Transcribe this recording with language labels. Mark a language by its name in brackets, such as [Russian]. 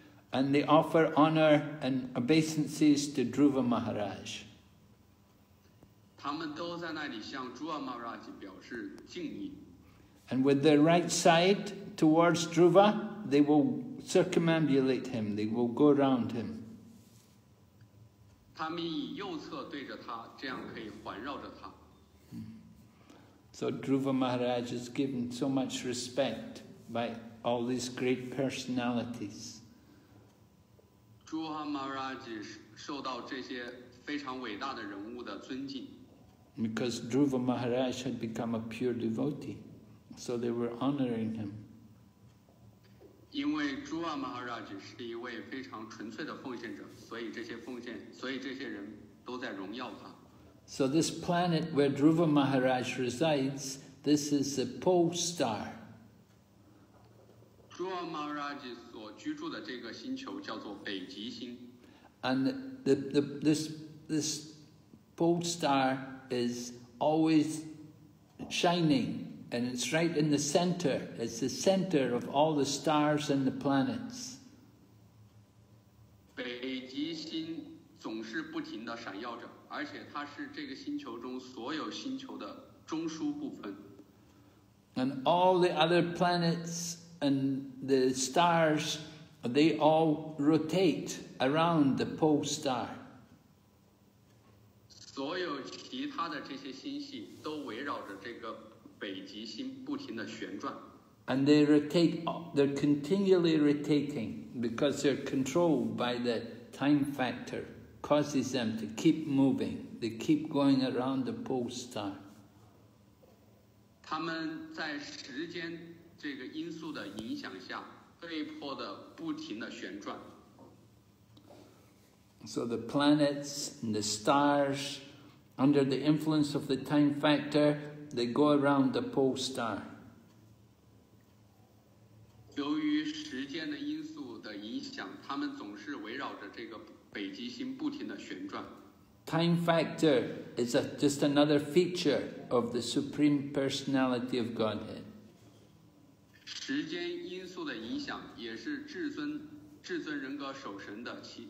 [English] and they offer honor and obeisances to Dhruva Maharaj [Chinese] 他们都在那里向 Dhruva Maharaj 表示敬意 [English] and with their right side towards Dhruva they will circumambulate him they will go around him [Chinese] 他们以右侧对着他，这样可以环绕着他。 [English] So Dhruva Maharaj is given so much respect by all these great personalities. [Chinese] Dhruva Maharaj 受到这些非常伟大的人物的尊敬。 [English] Because Dhruva Maharaj had become a pure devotee, so they were honoring him. [Chinese] 因为 Dhruva Maharaj 是一位非常纯粹的奉献者。所以这些人都在荣耀他。 [English] So this planet where Dhruva Maharaj resides, this is the pole star. [Chinese] Dhruva Maharaj 所居住的这个星球叫做北极星。 [English] And this pole star is always shining, and it's right in the center. It's the center of all the stars and the planets. [Chinese] 北极星总是不停地闪耀着，而且它是这个星球中所有星球的中枢部分。 [English] And all the other planets and the stars, they all rotate around the pole star. [Chinese] 所有其他的这些星系都围绕着这个北极星不停地旋转。 [English] And they rotate, they're continually rotating. Because they're controlled by the time factor, causes them to keep moving. They keep going around the pole star. [Chinese] 他们在时间这个因素的影响下，被迫的不停的旋转。 [English] So the planets and the stars, under the influence of the time factor, they go around the pole star. [Chinese] 由于时间的因素的影响，他们总是围绕着这个北极星不停地旋转。 [English] Time factor is just another feature of the Supreme Personality of Godhead. [Chinese] 时间因素的影响也是至尊人格守神的